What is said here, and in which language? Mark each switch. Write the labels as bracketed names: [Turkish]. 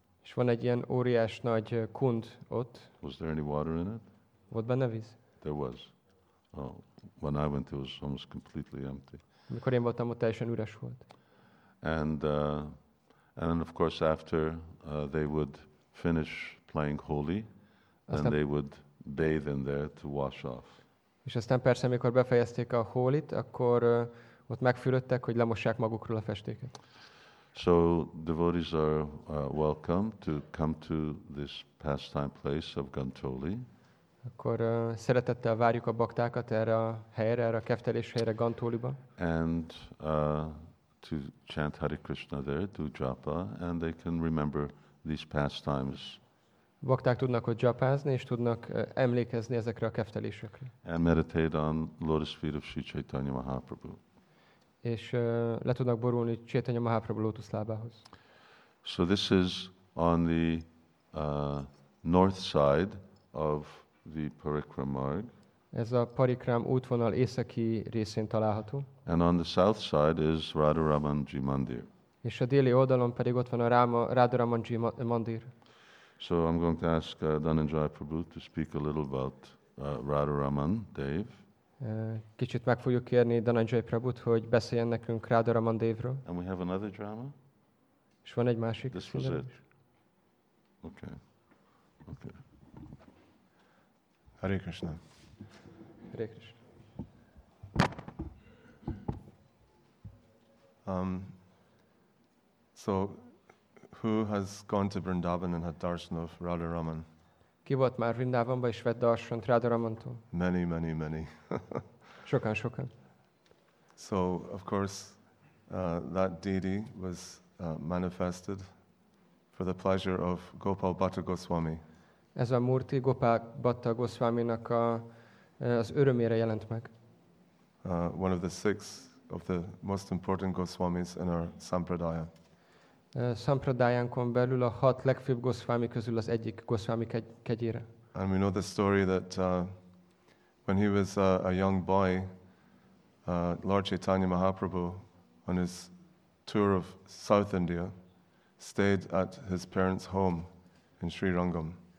[Hungarian] És van egy ilyen óriás nagy kund ott. [English] Was there any water in it? [Hungarian] Volt benne víz? [English] There was. Oh, when I went, it was almost completely empty. [Hungarian] Amikor én voltam, ott teljesen üres volt. [English] And then of course after they would finish playing holy, then they would bathe in there to wash off. [Hungarian] És aztán persze, amikor befejezték a holit, akkor ott megfürödtek, hogy lemossák magukról a festéket. [English] So devotees are welcome to come to this pastime place of Gantoli. [Hungarian] Akkor szeretettel várjuk a baktákat erre a helyre, erre a keftelés helyre, Gantoliba. [English] And to chant Hare Krishna there, do japa, and they can remember these pastimes. [Hungarian] Bakták tudnak ott japázni, és tudnak emlékezni ezekre a keftelésekre. [English] And meditate on lotus feet of Sri Chaitanya Mahaprabhu. [Hungarian] És le tudnak borulni Chaitanya Mahaprabhu lótusz lábához. [English] So this is on the north side of the Parikram Marg. [Hungarian] Ez a Parikram útvonal északi részén található. [English] And on the south side is Radharamanji Mandir. [Hungarian] És a déli oldalon pedig ott van a Radharamanji Mandir. [English] So I'm going to ask Dhananjaya Prabhu to speak a little about Radharaman Dev. [Hungarian] Kicsit meg fogjuk kérni Dhananjay Prabhut, hogy beszéljen nekünk Radha Raman Devről. [English] And we have another drama? [Hungarian] És van egy másik. [English] This was it. Okay. Hare Krishna. Hare Krishna. So, who has gone to Vrindavan and had darshan of Radharaman? [Hungarian] Ki volt már Vrindavanban és vett darshant Radharamantól? [English] Many, many, many. [Hungarian] Sokan, sokan. [English] So, of course, that deity was manifested for the pleasure of Gopal Bhatta Goswami. [Hungarian] Ez a murti Gopal Bhatta Goswaminak az örömére jelent meg. [English] One of the six of the most important Goswamis in our Sampradaya. [Hungarian] Sampradayánkon belül a hat legfőbb Goswami közül az egyik Goswami kegyére. [English] And we know the story that when he was a young boy, Lord Chaitanya Mahaprabhu, on his tour of South India, stayed at his parents' home in Sri Rangam.